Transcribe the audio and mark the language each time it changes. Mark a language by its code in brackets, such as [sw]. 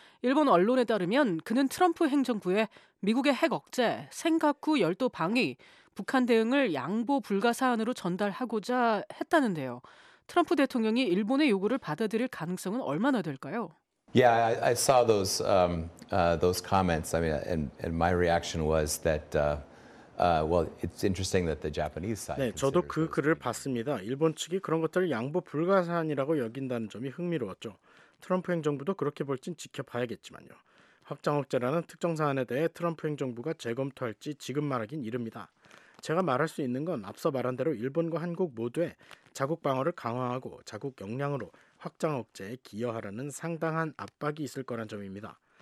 [ko] 일본 언론에 따르면 그는 트럼프 행정부에 미국의 핵 억제, 센가쿠 열도 방위, 북한 대응을 양보 불가 사안으로 전달하고자 했다는데요. 트럼프 대통령이 일본의 요구를 받아들일 가능성은 얼마나 될까요? [en] Yeah, I saw those comments. I mean, and my reaction was that well, it's interesting that the Japanese side. [ko] 네, 저도 그 글을 봤습니다. 일본 측이 그런 것들을 양보 불가 사안이라고 여긴다는 점이 흥미로웠죠. 트럼프 행정부도 그렇게 볼진 지켜봐야겠지만요. 확장억제라는 특정 사안에 대해 트럼프 행정부가 재검토할지 지금 말하긴 이릅니다. 제가 말할 수 있는 건 앞서 말한 대로 일본과 한국 모두의 자국 방어를 강화하고 자국 역량으로 확장 억제에 기여하려는 상당한 압박이 있을 거란 점입니다.